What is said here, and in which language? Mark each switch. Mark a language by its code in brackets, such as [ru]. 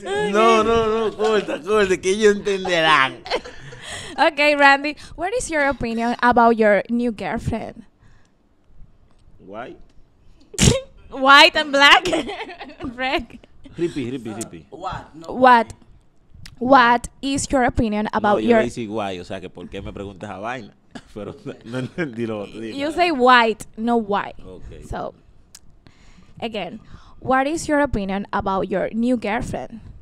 [es] No, no, no, corta, corta, que ellos entenderán. [en] Okay, Randy, what is your opinion about your new girlfriend? White. White and black. Red. Rippy, rippy, rippy. What? No, what? What is your opinion about your... [es] No, yo le dije white, o sea, que por qué me preguntas a vaina. Pero no entendí lo otro. [en] You say white, no white. Okay. So, again, what is your opinion about your new girlfriend?